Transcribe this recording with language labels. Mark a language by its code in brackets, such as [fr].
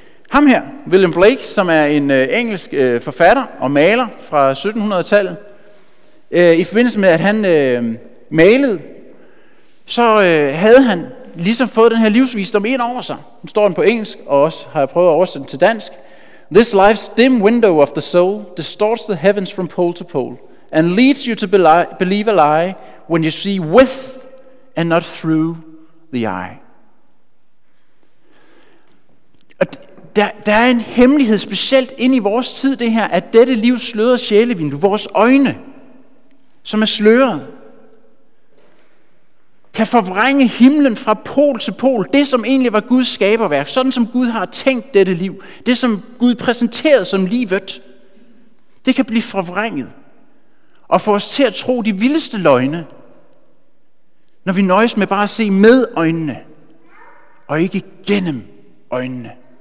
[da] Ham her, William Blake, som er en engelsk forfatter og maler fra 1700-tallet, i forbindelse med, at han malede, så havde han ligesom fået den her livsvisdom ind over sig. Nu står den på engelsk, og også har jeg prøvet at oversætte den til dansk. [en] This life's dim window of the soul distorts the heavens from pole to pole and leads you to believe a lie when you see with and not through the eye. [da] Der er en hemmelighed, specielt ind i vores tid, det her, at dette liv slører sjælevindu, vores øjne, som er sløret, kan forvrænge himlen fra pol til pol, det som egentlig var Guds skaberværk, sådan som Gud har tænkt dette liv, det som Gud præsenterede som livet, det kan blive forvrænget og få os til at tro de vildeste løgne, når vi nøjes med bare at se med øjnene og ikke gennem øjnene.